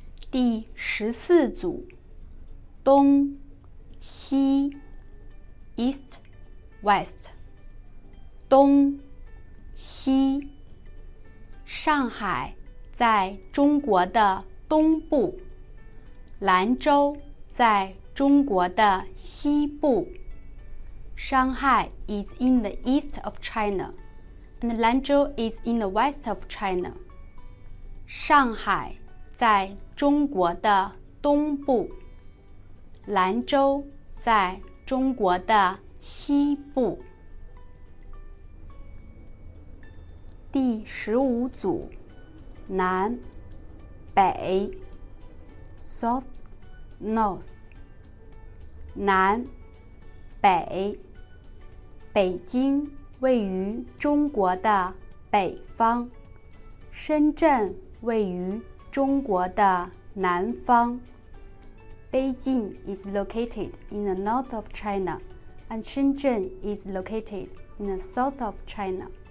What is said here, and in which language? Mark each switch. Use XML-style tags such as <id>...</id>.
<zh>第十四组东西</zh> <en>East, West</en> <zh>东西上海在中国的东部，兰州在中国的西部。</zh> <en>Shanghai is in the east of China, and Lanzhou is in the west of China.</en> <zh>上海在中国的东部，兰州在中国的西部。第十五组南北</zh> <en>South North</en> <zh>南北北京位于中国的北方深圳位于中国的南方</zh> <en>Beijing is located in the north of China and Shenzhen is located in the south of China</en>